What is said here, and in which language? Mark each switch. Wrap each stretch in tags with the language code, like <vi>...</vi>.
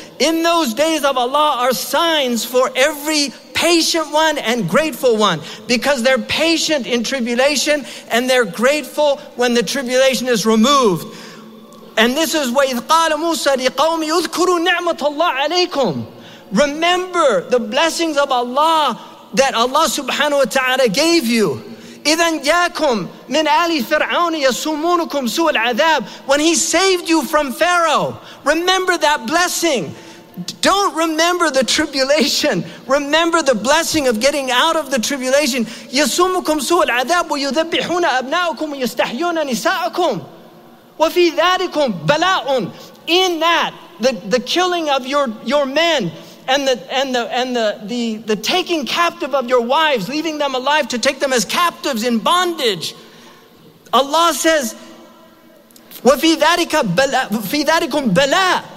<en>In those days of Allah are signs for every patient one and grateful one, because they're patient in tribulation and they're grateful when the tribulation is removed. And this is</en> <ar>وَإِذْ قَالَ مُوسَى لِقَوْمِ اُذْكُرُوا نِعْمَةَ اللَّهِ عَلَيْكُمْ.</ar> <en>Remember the blessings of Allah that Allah subhanahu wa ta'ala gave you.</en> <ar>إذن جاكم من آل فرعون يسومونكم سوء العذاب.</ar> <en>When he saved you from Pharaoh, remember that blessing. Don't remember the tribulation. Remember the blessing of getting out of the tribulation.</en> <ar>يسومكم سوء العذاب ويذبحون أبناءكم ويستحيون نساءكم وفي ذلكم بلاء.</ar> <en>In that, the killing of your men and the taking captive of your wives, leaving them alive to take them as captives in bondage. Allah says,</en> <ar>وَفِي ذَلِكُمْ بَلَىٰ.</ar>